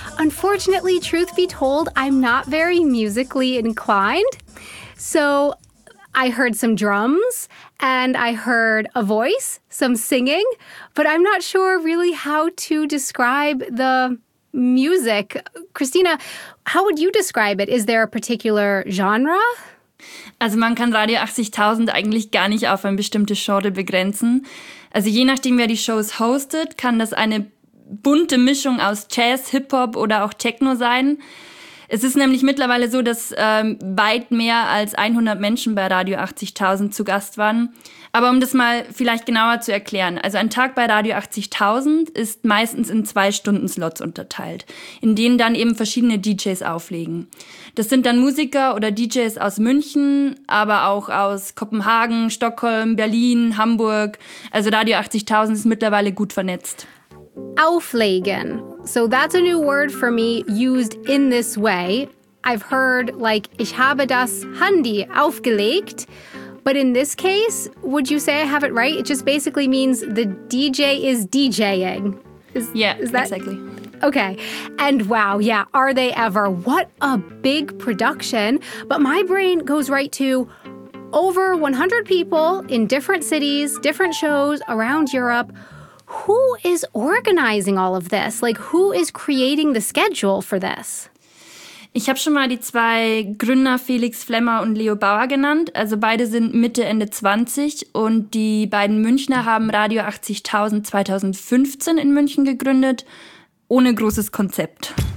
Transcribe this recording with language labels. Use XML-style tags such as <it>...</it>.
<en>Unfortunately, truth be told, I'm not very musically inclined. So I heard some drums and I heard a voice, some singing, but I'm not sure really how to describe the music. Christina, how would you describe it? Is there a particular genre?</en> <de>Also man kann Radio 80.000 eigentlich gar nicht auf ein bestimmtes Genre begrenzen. Also je nachdem, wer die Shows hostet, kann das eine bunte Mischung aus Jazz, Hip-Hop oder auch Techno sein. Es ist nämlich mittlerweile so, dass weit mehr als 100 Menschen bei Radio 80.000 zu Gast waren. Aber um das mal vielleicht genauer zu erklären. Also ein Tag bei Radio 80.000 ist meistens in 2-Stunden-Slots unterteilt, in denen dann eben verschiedene DJs auflegen. Das sind dann Musiker oder DJs aus München, aber auch aus Kopenhagen, Stockholm, Berlin, Hamburg. Also Radio 80.000 ist mittlerweile gut vernetzt. Auflegen.</de> <en>So that's a new word for me used in this way. I've heard like,</en> <de>ich habe das Handy aufgelegt.</de> <en>But in this case, would you say I have it right? It just basically means the DJ is DJing. Exactly. Okay. And wow, yeah, are they ever? What a big production. But my brain goes right to over 100 people in different cities, different shows around Europe. Who is organizing all of this? Like, who is creating the schedule for this?</en> <de>Ich habe schon mal die zwei Gründer Felix Flemmer und Leo Bauer genannt. Also beide sind Mitte, Ende 20 und die beiden Münchner haben Radio 80.000 2015 in München gegründet, ohne großes Konzept.</de>